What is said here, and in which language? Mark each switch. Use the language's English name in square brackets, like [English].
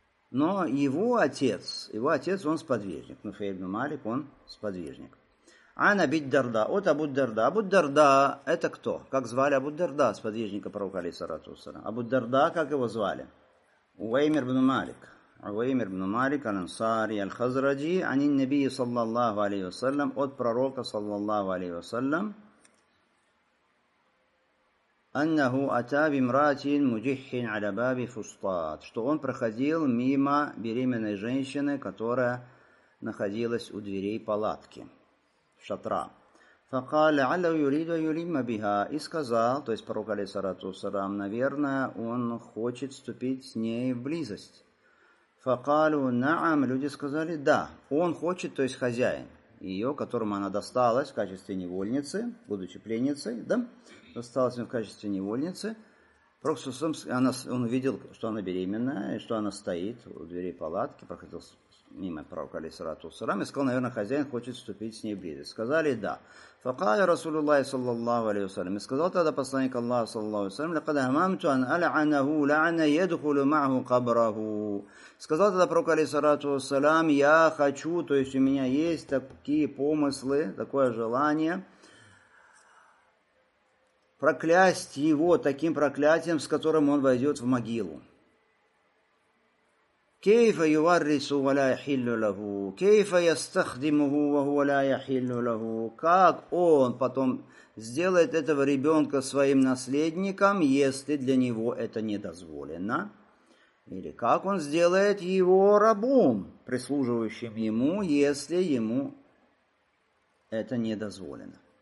[Russian] Но его отец, он сподвижник. Нуфейр бин Малик, он сподвижник. Ан Аби ад-Дарда, от Абу-ад-Дарда. Абу-ад-Дарда, это кто? Как звали Абу-ад-Дарда, сподвижника пророка алейхиссалату вассалям? Абу-ад-Дарда, как его звали? [Arabic] عويمر بن مالك. عويمر بن مالك الأنصاري الخزرجي عن النبي صلى الله عليه وسلم [Russian] от пророка [Arabic] صلى الله عليه وسلم أنه أتى بامرأة مجح على باب فسطاط, [Russian] что он проходил мимо беременной женщины, которая находилась у дверей палатки, шатра. [Arabic] فقال لعله يريد أن يلم بها, [Russian] и сказал, то есть пророк алейхиссалату вассалам, наверное, он хочет вступить с ней в близость. [Arabic] فقالوا نعم, [Russian] люди сказали да, он хочет, то есть хозяин ее, которому она досталась в качестве невольницы, будучи пленницей, да, досталась в качестве невольницы. Он увидел, что она беременная, и что она стоит у дверей палатки, проходил мимо пророка алейхиссалату вассалам, и сказал, наверное, хозяин хочет вступить с ней в близость. Сказали да. [Arabic] فقال رسول الله صلى الله عليه وسلم, [Russian] сказал тогда посланник Аллаха [Arabic] صلى الله عليه وسلم, لقد هممت أن ألعنه لعن يدخل معه قبره. [Russian] Сказал тогда пророк алейхиссалату вассалам, я хочу, то есть у меня есть такие помыслы, такое желание проклясть его таким проклятием, с которым он войдет в могилу. [Arabic] كيف يورس ولا يحل له, [Russian] كيف يستخدمه وهو لا يحل له, как он потом сделает этого ребенка своим наследником, если для него это не дозволено, или как он сделает его рабом, прислуживающим ему, если ему это не дозволено.